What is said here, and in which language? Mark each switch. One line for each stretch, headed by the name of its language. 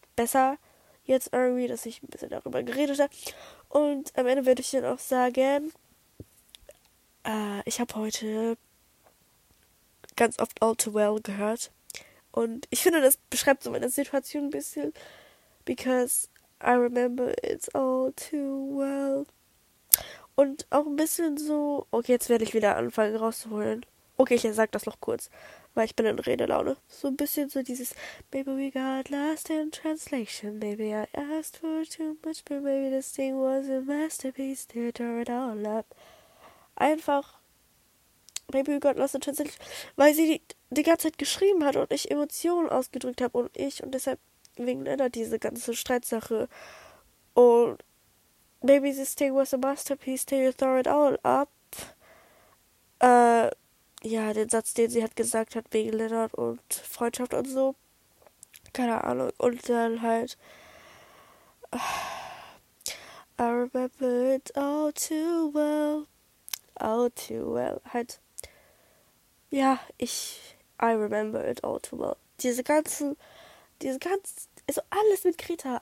German: besser jetzt irgendwie, dass ich ein bisschen darüber geredet habe. Und am Ende würde ich dann auch sagen, ich habe heute ganz oft All Too Well gehört. Und ich finde, das beschreibt so meine Situation ein bisschen.
English: Because I remember it's all too well.
German: Und auch ein bisschen so, okay, jetzt werde ich wieder anfangen rauszuholen. Okay, ich sag das noch kurz, weil ich bin in Redelaune. So ein bisschen so dieses,
English: maybe we got lost in translation. Maybe I asked for too much, but maybe this thing was a masterpiece. They tore it all up.
German: Einfach,
English: maybe we got lost in translation.
German: Weil sie die ganze Zeit geschrieben hat und ich Emotionen ausgedrückt habe. Und ich, und deshalb wegen Lena diese ganze Streitsache. Und
English: maybe this thing was a masterpiece. They tore it all up.
German: Ja, den Satz, den sie hat gesagt hat, wegen Leonard und Freundschaft und so. Keine Ahnung. Und dann halt,
English: I remember it all too well. All too well.
German: Halt, ja, ich,
English: I remember it all too well.
German: Diese ganzen, also alles mit Greta.